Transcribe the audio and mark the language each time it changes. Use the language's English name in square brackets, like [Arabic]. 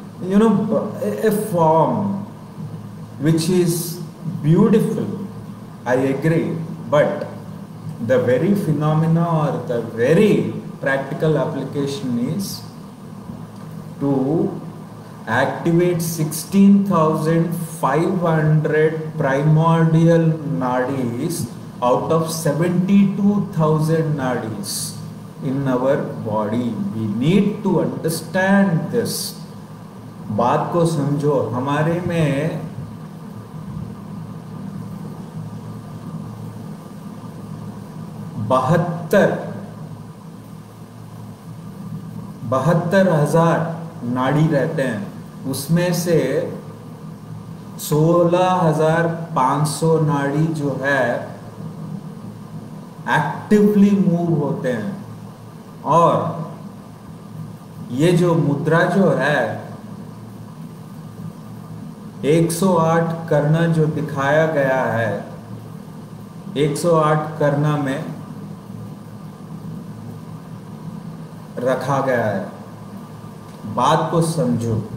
[English] you know a form which is beautiful, I agree, but the very phenomena or the very practical application is to activate 16,500 primordial nadis out of 72,000 nadis in our body. We need to understand this. [Hindi] बात को समझो. हमारे में बहत्तर हजार नाड़ी रहते हैं. उसमें से 16,500 नाड़ी जो है एक्टिवली मूव होते हैं और ये जो मुद्रा जो है 108 करना जो दिखाया गया है 108 करना में रखा गया है. बात को समझो.